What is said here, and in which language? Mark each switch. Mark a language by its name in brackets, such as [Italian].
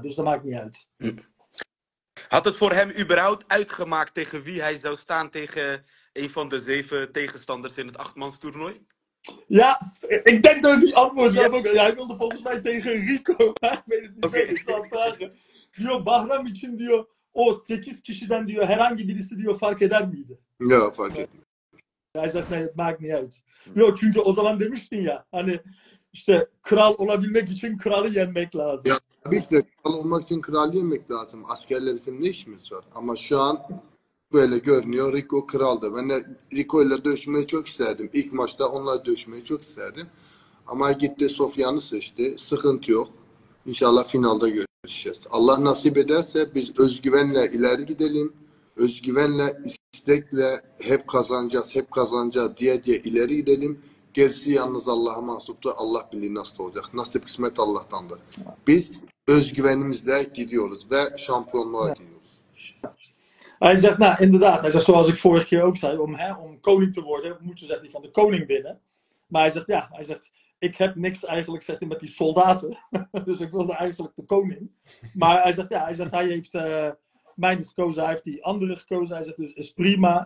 [Dutch] Dus dat maakt niet uit. Had het voor hem überhaupt uitgemaakt tegen wie hij zou staan tegen een van de 7 tegenstanders in het 8-mans toernooi? Ja, ik denk dat ik die antwoord heb ook. Ja, hij wilde volgens mij tegen Rico. Maar ik weet het niet, zeker ik zal vragen. [Turkish] Bahram için 8 kişiden herhangi birisi fark eder miydi? Ja, fark etmiyor. [Dutch] Hij zegt, nee, het maakt niet uit. [Turkish] Yok, çünkü o zaman demiştin ya, hani işte kral olabilmek için kralı yenmek lazım. Ya tabii ki kral olmak için kralı yenmek lazım. Askerler için ne işimiz var? Ama şu an böyle görünüyor. Rico kraldı. Ben de Rico ile dövüşmeyi çok isterdim. İlk maçta onunla dövüşmeyi çok isterdim. Ama gitti Sofyan'ı seçti. Sıkıntı yok. İnşallah finalda görüşeceğiz. Allah nasip ederse biz özgüvenle ileri gidelim. Özgüvenle, istekle hep kazanacağız, hep kazanacağız diye diye ileri gidelim. Gerisi yalnız Allah'a mahsuptur. Allah bilir nasıl olacak. Nasip kısmet Allah'tandır. Biz özgüvenimizle gidiyoruz ve şampiyonluğa gidiyoruz. [Dutch] Hij zegt, nou inderdaad, hij zegt zoals ik vorige keer ook zei, om koning te worden, moet je zegt hij van de koning binnen. Maar hij zegt, ja, hij zegt, ik heb niks eigenlijk zegt hij, met die soldaten, dus ik wilde eigenlijk de koning. Maar hij zegt, ja, hij zegt, hij heeft mij niet gekozen, hij heeft die andere gekozen. Hij zegt, dus is prima.